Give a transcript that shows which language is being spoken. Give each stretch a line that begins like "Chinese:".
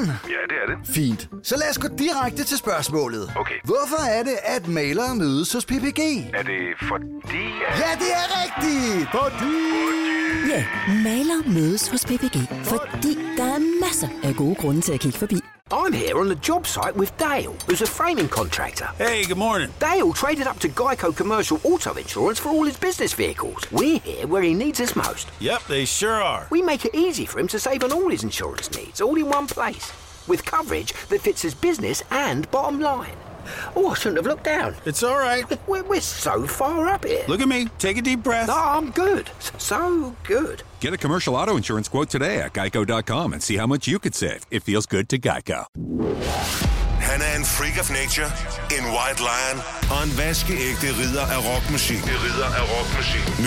Danish: Ja, det er det. Fint. Så lad os gå direkte til spørgsmålet. Okay. Hvorfor er det, at malere mødes hos PPG? Er det fordi... Ja, det er rigtigt! Fordi... Ja, malere mødes hos PPG, fordi der er masser af gode grunde til at kigge forbi.
English: I'm here on the job site with Dale, who's a framing contractor. Hey, good morning. Dale traded up to Geico Commercial Auto Insurance for all his business vehicles. We're here where he needs us most. Yep, they sure are. We make it easy for him to save on all his insurance needs, all in one place, with coverage that fits his business and bottom line. Oh, I shouldn't have looked down. It's all right. We're so far up here. Look at me. Take a deep breath. Oh, I'm good. So good. Get a commercial auto insurance quote today at geico.com and see how much you could save. It feels good to Geico. Hannah and freak of nature in White Lion.
Danish: Og en vaskeægte ridder af rockmusik. Det ridder af rockmusik.